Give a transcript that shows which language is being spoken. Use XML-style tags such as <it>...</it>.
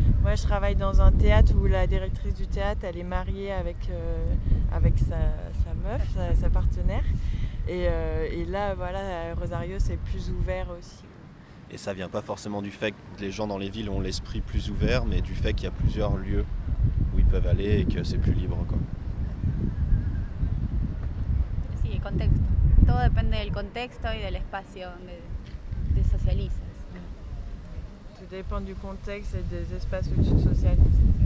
<fr>Moi je travaille dans un théâtre où la directrice du théâtre elle est mariée avec sa meuf, sa partenaire. Et là, voilà, Rosario, c'est plus ouvert aussi. Et ça vient pas forcément du fait que les gens dans les villes ont l'esprit plus ouvert, mais du fait qu'il y a plusieurs lieux où ils peuvent aller et que c'est plus libre, quoi.</fr> <es>Sí, el contexto. Todo depende del contexto y del espacio donde te socializas.</es> <fr>Tout dépend du contexte et des espaces où tu socialises.</fr>